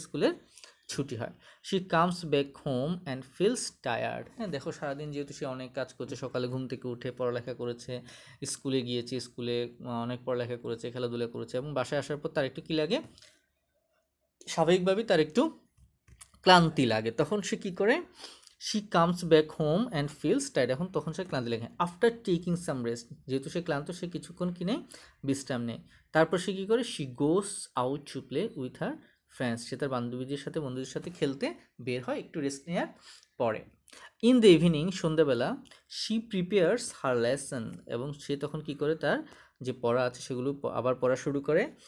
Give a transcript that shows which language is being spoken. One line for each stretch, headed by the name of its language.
Bangla: স্কুলের ছুটি হয়।
English: she comes back home and feels tired,
Bangla: হ্যাঁ দেখো সারাদিন যেহেতু সে অনেক কাজ করছে, সকালে ঘুম থেকে উঠে পড়ালেখা করেছে, স্কুলে গিয়েছে, স্কুলে অনেক পড়ালেখা করেছে, খেলাধুলা করেছে, এবং বাসায় আসার পর তার একটু কী লাগে? স্বাভাবিকভাবেই তার একটু ক্লান্তি লাগে। তখন সে কী করে?
English: she comes back home and feels tired.
Bangla: এখন তখন সে ক্লান্তি লাগে,
English: after taking some rest,
Bangla: যেহেতু সে ক্লান্ত সে কিছুক্ষণ কি নেই, বিশ্রাম নেই। তারপর সে কী করে,
English: she goes out to play with her friends,
Bangla: সে তার বান্ধবীদের সাথে বন্ধুদের সাথে খেলতে বের হয় একটু রেস্ট নেওয়ার পরে।
English: in the evening,
Bangla: সন্ধ্যাবেলা,
English: she prepares her lesson,
Bangla: এবং সে তখন কী করে, তার যে পড়া আছে সেগুলো আবার পড়া শুরু করে।